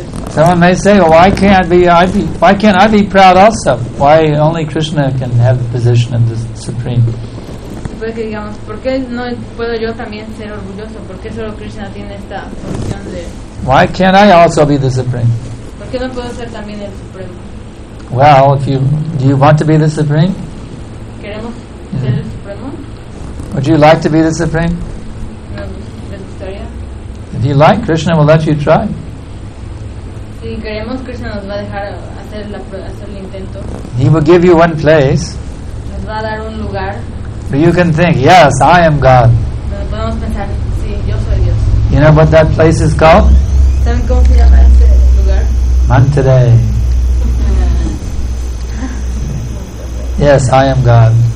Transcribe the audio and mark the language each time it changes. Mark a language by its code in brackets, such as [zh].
[en] Someone may say, well, why can't I be proud also? Why only Krishna can have the position of the supreme? [es] puede que digamos, ¿por qué no puedo yo también ser orgulloso? ¿Por qué solo Krishna tiene esta función de? [en] Why can't I also be the supreme? [es] ¿Por qué no puedo ser también el supremo? [en] Well, if you do, you want to be the supreme? [es] ¿Queremos ser el supremo? [en] Would you like to be the supreme? [es] ¿Me gustaría? [en] If you like, Krishna will let you try. [es] Si queremos, Krishna nos va a dejar hacer la, hacer el intento. [en] He will give you one place. [es] Nos va a dar un lugar. [en] But you can think, yes, I am God. [es] Pero podemos pensar, sí, yo soy Dios. [en] You know what that place is called? [es] ¿Saben cómo se llama ese lugar? Monterrey. [en] Yes, I am God.